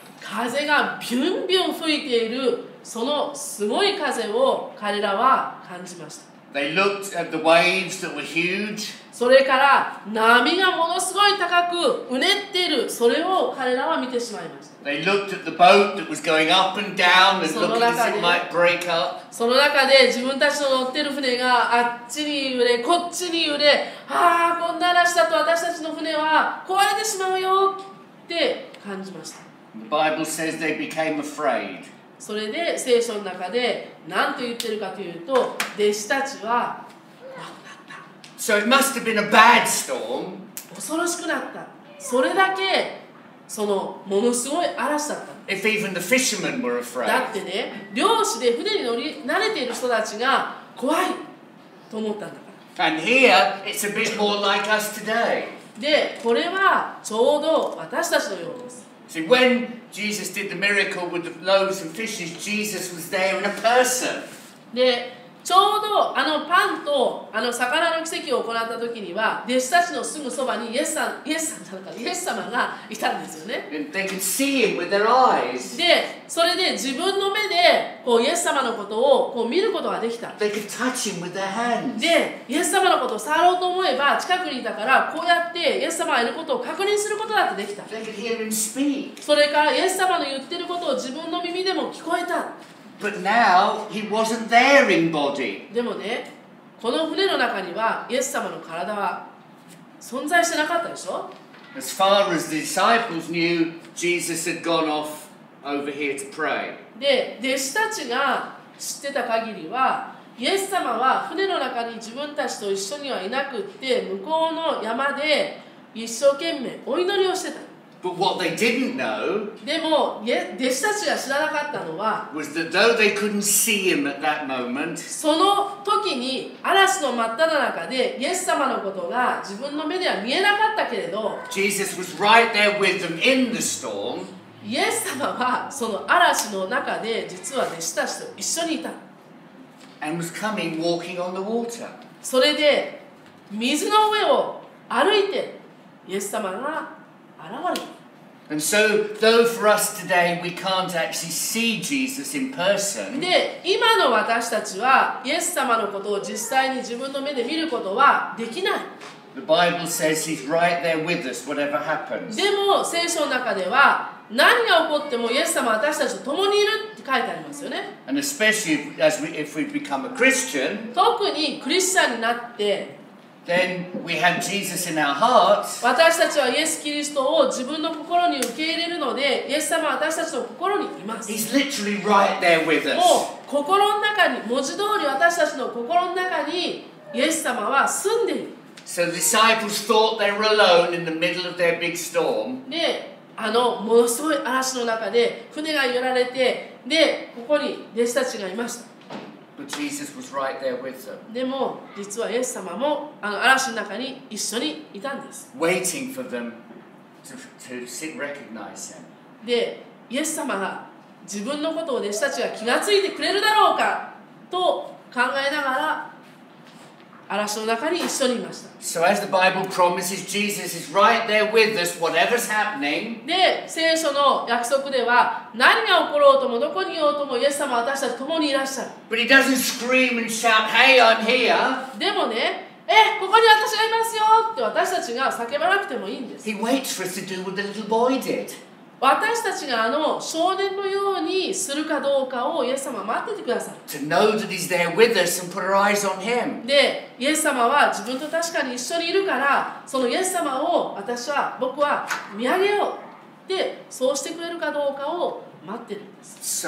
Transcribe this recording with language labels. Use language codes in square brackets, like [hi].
[ja] 風がビュンビュン吹いている、そのすごい風を彼らは感じました。 [en] They looked at the waves that were huge. [ja] それから波がものすごい高くうねっている、それを彼らは見てしまいました。 [en] They looked at the boat that was going up and down and looked as it might break up. [ja] その中で自分たちの乗ってる船があっちに揺れ、こっちに揺れ、ああこんな嵐だと私たちの船は壊れてしまうよって感じました。 [en] The Bible says they became afraid. [ja] それで聖書の中で何と言ってるかというと、弟子たちは怖くなった。 [en] So it must have been a bad storm. [ja] 恐ろしくなった。それだけそのものすごい嵐だったの。 [en] If even the fishermen were afraid. [ja] だってね、漁師で船に乗り慣れている人たちが怖いと思ったんだから。 [en] And here, it's a bit more like us today. [ja] で、これはちょうど私たちのようです。 [en] See, when Jesus did the miracle with the loaves and fishes, Jesus was there in a person. [ja] で、ちょうどあのパンとあの魚の奇跡を行った時には、弟子たちのすぐそばにイエス様がいたんですよね。 [en] And they could see him with their eyes. [ja] で、それで自分の目でこうイエス様のことをこう見ることができた。 [en] They could touch him with their hands. [ja] で、イエス様のことを触ろうと思えば近くにいたから、こうやってイエス様がいることを確認することだってできた。 [en] They could hear him speak. [ja] それからイエス様の言ってることを自分の耳でも聞こえた。 [en] But now he wasn't there in body. [ja] でもね、この船の中にはイエス様の体は存在してなかったでしょ。 [en] As far as the disciples knew, Jesus had gone off over here to pray. [ja] で、弟子たちが知ってた限りは、イエス様は船の中に自分たちと一緒にはいなくって、向こうの山で一生懸命お祈りをしてた。 [en] But what they didn't know [ja] でも、弟子たちが知らなかったのは [en] was that though they couldn't see him at that moment, [ja] その時に嵐の真っ只中でイエス様のことが自分の目では見えなかったけれど [en] Jesus was right there with them in the storm. [ja] イエス様はその嵐の中で実は弟子たちと一緒にいた。 [en] And was coming walking on the water. [ja] それで水の上を歩いてイエス様が [en] And so, though for us today we can't actually see Jesus in person, [ja] で、今の私たちはイエス様のことを実際に自分の目で見ることはできない。 [en] The Bible says he's right there with us, whatever happens. [ja] でも、聖書の中では何が起こってもイエス様は私たちと共にいるって書いてありますよね。 [en] And especially if we've become a Christian, [ja] 特にクリスチャンになって、 [en] Then we have Jesus in our hearts. [ja] 私たちはイエス・キリストを自分の心に受け入れるので、イエス様は私たちの心にいます。 [en] He's literally right there with us. [ja] もう心の中に、文字通り私たちの心の中にイエス様は住んでいる。 [en] So the disciples thought they were alone in the middle of their big storm. [ja] で、あのものすごい嵐の中で船が揺られて、で、ここに弟子たちがいました。 [en] But Jesus was right there with them. [ja] でも実はイエス様もあの嵐の中に一緒にいたんです。 [en] Waiting for them to recognize him. [ja] で、イエス様が自分のことを弟子たちが気がついてくれるだろうかと考えながら嵐の中に一緒にいました。 [en] So as the Bible promises, Jesus is right there with us, whatever's happening. [ja] で、聖書の約束では何が起ころうともどこにいようともイエス様は私たちと共にいらっしゃる。 [en] But he doesn't scream and shout, "Hey, I'm here." [ja] でもね、ここに私がいますよって私たちが叫ばなくてもいいんです。 [en] He waits for us to do what the little boy did. [ja] 私たちがあの少年のようにするかどうかをイエス様は待っててください。 [en] To know that he's there with us and put our eyes on him. [ja] で、イエス様は自分と確かに一緒にいるから、そのイエス様を私は、僕は見上げよう。で、そうしてくれるかどうかを待ってるんです。